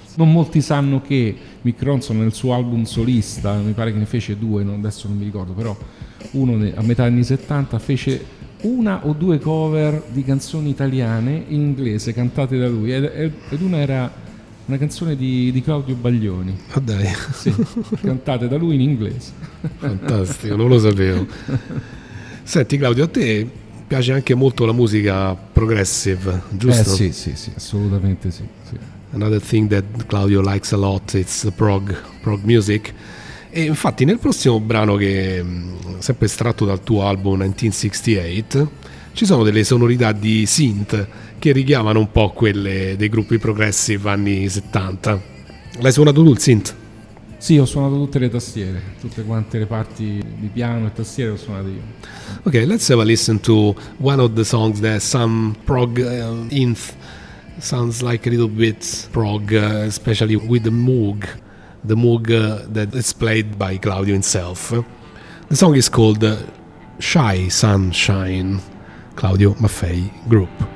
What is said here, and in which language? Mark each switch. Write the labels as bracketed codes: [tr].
[it] Non molti sanno che Mick Ronson nel suo album solista, mi pare che ne fece due, adesso non mi ricordo, però uno a metà anni 70 fece una o due cover di canzoni italiane in inglese cantate da lui, ed una era una canzone di Claudio Baglioni. Ah, oh dai. Sì, cantate da lui in inglese. Fantastico, non lo sapevo. Senti Claudio, a te piace anche molto la musica progressive, giusto? Sì, assolutamente sì. [en] Another thing that Claudio likes a lot, it's the prog music. [it] E infatti nel prossimo brano, che sempre estratto dal tuo album 1968, ci sono delle sonorità di synth che richiamano un po' quelle dei gruppi progressive anni 70. L'hai suonato tu il synth? Sì, ho suonato tutte le tastiere, tutte quante le parti di piano e tastiere ho suonato io. [en] Ok, let's have a listen to one of the songs that some prog synth sounds like a little bit prog, especially with the Moog. The Moog that is played by Claudio himself. The song is called Shy Sunshine, Claudio Maffei Group.